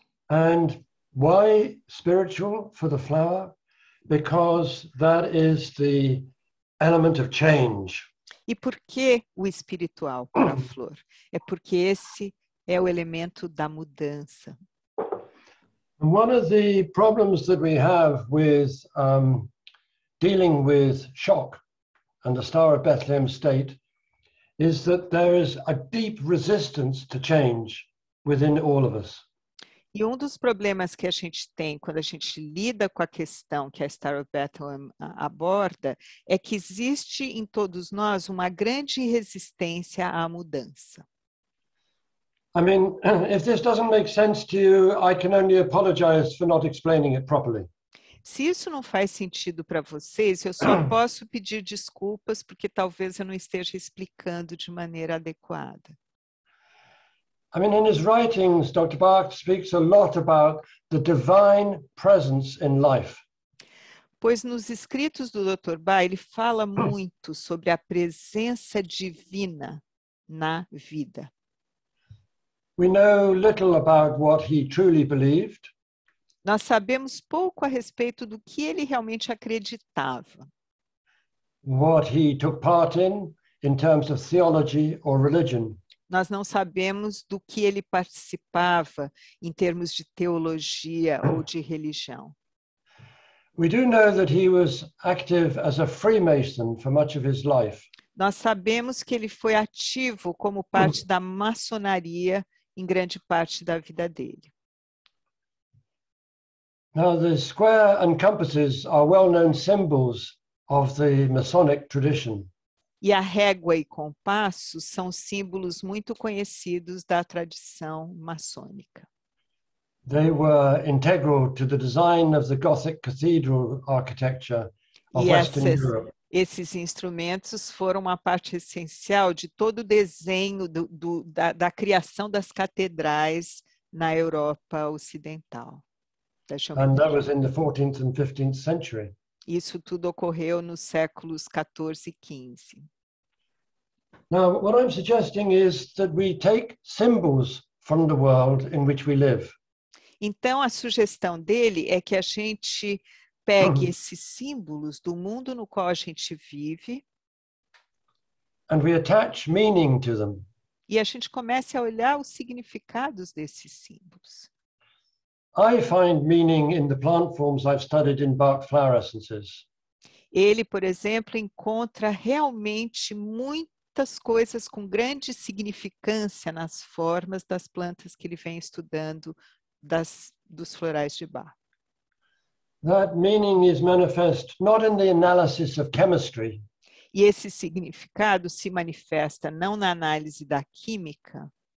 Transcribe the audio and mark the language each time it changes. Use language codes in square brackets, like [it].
[en] And why spiritual for the flower? Because that is the element of change. [pt] E por que o espiritual para a flor? É porque esse é o elemento da mudança. [en] One of the problems that we have with dealing with shock and the Star of Bethlehem state is that there is a deep resistance to change within all of us. [pt] E um dos problemas que a gente tem quando a gente lida com a questão que a Star of Bethlehem aborda é que existe em todos nós uma grande resistência à mudança. [en] I mean, if this doesn't make sense to you, I can only apologize for not explaining it properly. [pt] Se isso não faz sentido para vocês, eu só posso pedir desculpas porque talvez eu não esteja explicando de maneira adequada. [en] I mean, in his writings, Dr. Bach speaks a lot about the divine presence in life. [pt] Pois nos escritos do Dr. Bach, ele fala muito sobre a presença divina na vida. [en] We know little about what he truly believed. [pt] Nós sabemos pouco a respeito do que ele realmente acreditava. [en] What he took part in terms of theology or religion. [pt] Nós não sabemos do que ele participava em termos de teologia ou de religião. [en] We do know that he was active as a Freemason for much of his life. [pt] Nós sabemos que ele foi ativo como parte da maçonaria em grande parte da vida dele. [en] Now the square and compasses are well-known symbols of the Masonic tradition. [pt] E a régua e compasso são símbolos muito conhecidos da tradição maçônica. [en] They were integral to the design of the Gothic cathedral architecture of Western Europe. [pt] Esses instrumentos foram uma parte essencial de todo o desenho da criação das catedrais na Europa Ocidental. [en] And that was in the 14th and 15th century. [pt] Isso tudo ocorreu nos séculos 14 e 15. [en] Now, what I'm suggesting is that we take symbols from the world in which we live. [pt] Então, a sugestão dele é que a gente pegue esses símbolos do mundo no qual a gente vive. [en] And we attach meaning to them. [pt] E a gente comece a olhar os significados desses símbolos. [en] I find meaning in the plant forms I've studied in Bach flower essences. [pt] Ele, por exemplo, encontra realmente muitas coisas com grande significância nas formas das plantas que ele vem estudando dos florais de Bach. [en] That meaning is manifest not in the analysis of chemistry. [pt] E esse significado se manifesta não na análise da química.